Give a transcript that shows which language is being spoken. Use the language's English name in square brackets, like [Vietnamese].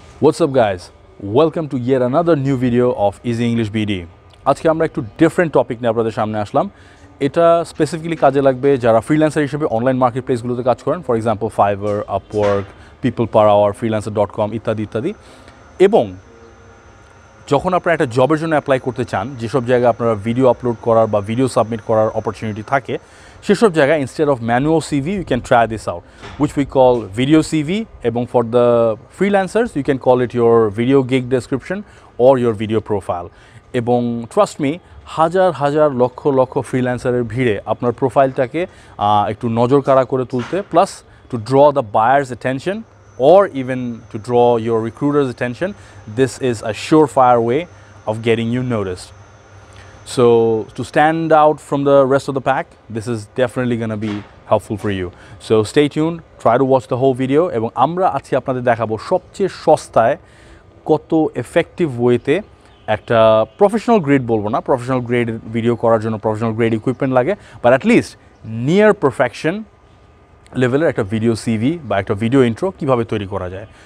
[English] What's up guys, welcome to yet another new video of Easy English BD. [Bangla] আজকে আমরা একটু different topic নিয়ে আপনাদের সামনে আসলাম। এটা স্পেসিফিক্যালি কাজে লাগবে যারা ফ্রিল্যান্সার হিসেবে অনলাইন মার্কেটপ্লেসগুলোতে কাজ করেন, [English] for example [Bangla] fibre, Upwork, people per hour, freelancer dot com ইত্যাদি ইত্যাদি। এবং যখন আপনারা একটা জবের জন্য অ্যাপ্লাই করতে চান, যেসব জায়গায় আপনারা ভিডিও আপলোড করার বা ভিডিও সাবমিট করার অপরচুনিটি থাকে, সেসব জায়গায় [English] Instead of manual CV you can try this out, which we call video CV. এবং for the freelancers you can call it your video gig description or your video profile. এবং trust me, [Bangla] হাজার হাজার লক্ষ লক্ষ ফ্রিল্যান্সারের ভিড়ে আপনার প্রোফাইলটাকে একটু নজরকাড়া করে তুলতে, [English] Plus to draw the buyers attention or even to draw your recruiters attention, this is a sure fire way of getting you noticed. So to stand out from the rest of the pack, this is definitely going to be helpful for you. So stay tuned, try to watch the whole video. [Bangla] এবং আমরা আজকে আপনাদের দেখাবো সবচেয়ে সস্তায় কত effective ওয়েতে একটা প্রফেশনাল গ্রেড, বলবো না প্রফেশনাল গ্রেড, ভিডিও করার জন্য প্রফেশনাল গ্রেড ইকুইপমেন্ট লাগে, but at least near perfection লেভেলের একটা ভিডিও সিভি বা একটা ভিডিও ইন্ট্রো কীভাবে তৈরি করা যায়।